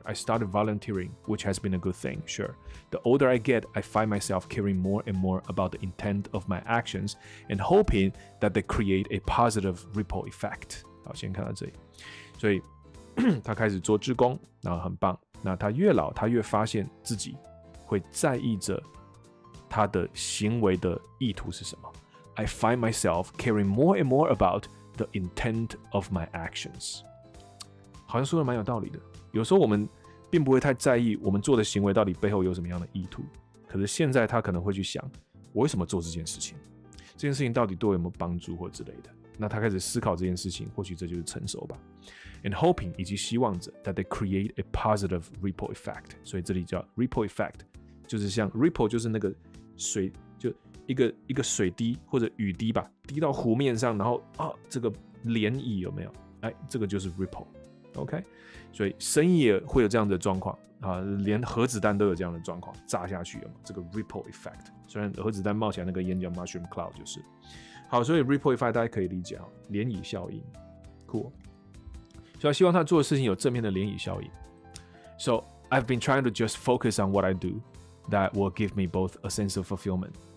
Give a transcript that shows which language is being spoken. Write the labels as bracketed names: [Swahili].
[English] I started volunteering, which has been a good thing, sure. The older I get, I find myself caring more and more about the intent of my actions and hoping that they create a positive ripple effect. [Chinese] 好，先看到这里。所以他开始做志工，然后很棒。那他越老，他越发现自己会在意着他的行为的意图是什么。 [English] I find myself caring more and more about the intent of my actions. [Chinese] 好像说的蛮有道理的。有时候我们并不会太在意我们做的行为到底背后有什么样的意图，可是现在他可能会去想，我为什么做这件事情？这件事情到底对我有没有帮助或之类的？那他开始思考这件事情，或许这就是成熟吧。 [English] And hoping [Chinese] 以及希望着 [English] that they create a positive ripple effect. [Chinese] 所以这里叫 ripple effect， 就是像 ripple 就是那个水，就一个水滴或者雨滴吧，滴到湖面上，然后啊，这个涟漪有没有？哎，这个就是 ripple。OK， 所以生意也会有这样的状况啊，连核子弹都有这样的状况，炸下去有没有这个 ripple effect？虽然核子弹冒起来那个烟叫 mushroom cloud 就是。好，所以 ripple effect 大家可以理解啊，涟漪效应 ，cool。所以希望他做的事情有正面的涟漪效应。 [English] So I've been trying to just focus on what I do that will give me both a sense of fulfillment.